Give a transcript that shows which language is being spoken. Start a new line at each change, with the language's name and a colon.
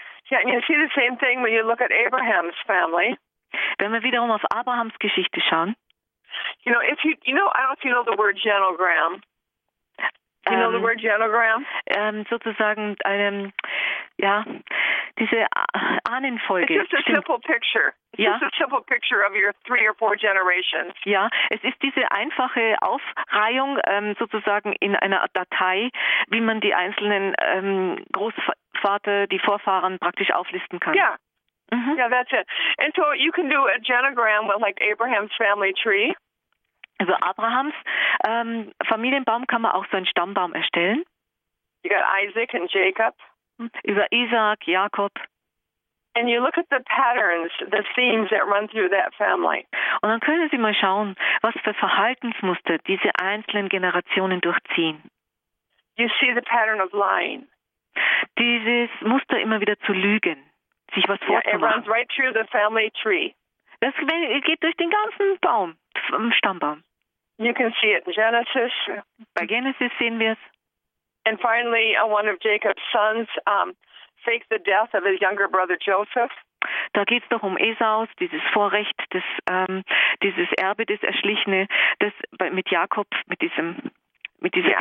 English: Yeah, and you see the same thing when you look at Abraham's family.
German: Wenn wir wiederum auf Abrahams Geschichte schauen.
English: You know, if you know, I don't know if you know the word genogram. Do you know the word genogram?
German: Sozusagen einem, ja, diese Ahnenfolge.
English: It's just a simple picture. It's just a simple picture of your three or four generations.
German: Ja, es ist diese einfache Aufreihung sozusagen in einer Datei, wie man die einzelnen Großvater, die Vorfahren praktisch auflisten kann.
English: Yeah. Mm-hmm. Yeah, that's it. And so you can do a genogram with like Abraham's family tree.
German: Also Abrahams Familienbaum kann man auch so einen Stammbaum erstellen.
English: You got Isaac and Jacob.
German: Über Isaac, Jakob.
English: And you look at the patterns, the themes that run through that family.
German: Und dann können Sie mal schauen, was für Verhaltensmuster diese einzelnen Generationen durchziehen.
English: You see the pattern of lying.
German: Dieses Muster immer wieder zu lügen, sich was vorzumachen.
English: Yeah, it runs right through the family tree.
German: Das geht durch den ganzen Baum, im Stammbaum.
English: You can see it in Genesis.
German: Bei Genesis sehen wir es.
English: And finally, one of Jacob's sons faked the death of his younger brother Joseph.
German: Da geht es doch um Esaus, dieses Vorrecht, das, dieses Erbe, das Erschlichene, das mit Jakob, mit dieser yeah.